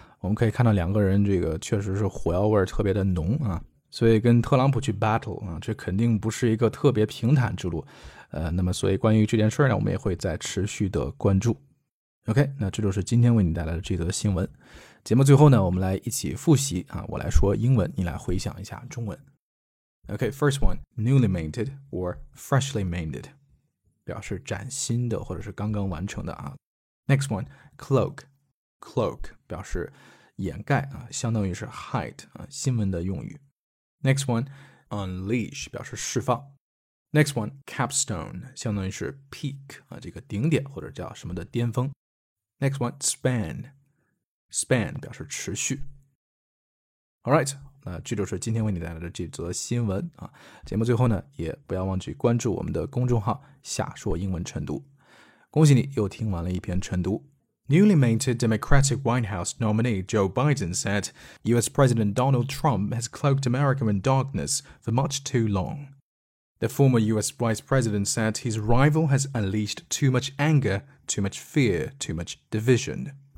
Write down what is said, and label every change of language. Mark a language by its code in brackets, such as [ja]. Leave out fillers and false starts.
[zh] 我们可以看到两个人这个确实是火药味特别的浓啊，所以跟特朗普去 battle 啊，这肯定不是一个特别平坦之路。那么所以关于这件事呢，我们也会再持续的关注。 OK， 那这就是今天为你带来的这则新闻。节目最后呢，我们来一起复习啊，我来说英文，你来回想一下中文。 OK， [en] first one， newly minted or freshly minted， [zh] 表示崭新的或者是刚刚完成的啊。 [en] Next one， [zh] cloak 表示掩盖啊，相当于是 hide 啊，新闻的用语。 [en] Next one, [zh] unleash 表示释放。 [en] Next one, [zh] capstone 相当于是 peak 啊，这个顶点或者叫什么的巅峰。 [en] Next one, [zh] span 表示持续。 [en] All right, [zh] 那这就是今天为你带来的这则新闻啊。节目最后呢，也不要忘记关注我们的公众号“下说英文晨读”。恭喜你又听完了一篇晨读。 [en] Newly minted Democratic White House nominee Joe Biden said, U.S. President Donald Trump has cloaked America in darkness for much too long. The former U.S. Vice President said his rival has unleashed too much anger, too much fear, too much division.